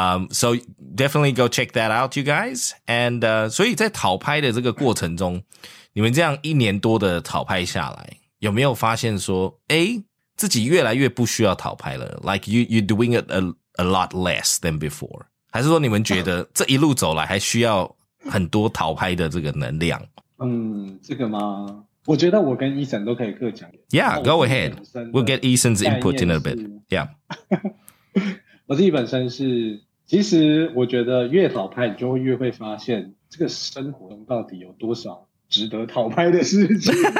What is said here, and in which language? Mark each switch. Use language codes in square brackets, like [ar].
[en] So definitely go check that out, you guys. [zh] And, 所以在讨拍的这个过程中，你们这样一年多的讨拍下来，有没有发现说，诶，自己越来越不需要讨拍了？ [en] Like you're doing it a lot less than before. [zh] 还是说你们觉得这一路走来还需要很多讨拍的这个能量？这个吗？我觉得我跟 Ethan 都可以各讲。 [en] Yeah, go ahead. We'll get Ethan's input in a bit. Yeah. [zh] 我自己本身是，其实我觉得越讨拍，你就会越会发现这个生活中到底有多少值得讨拍的事情。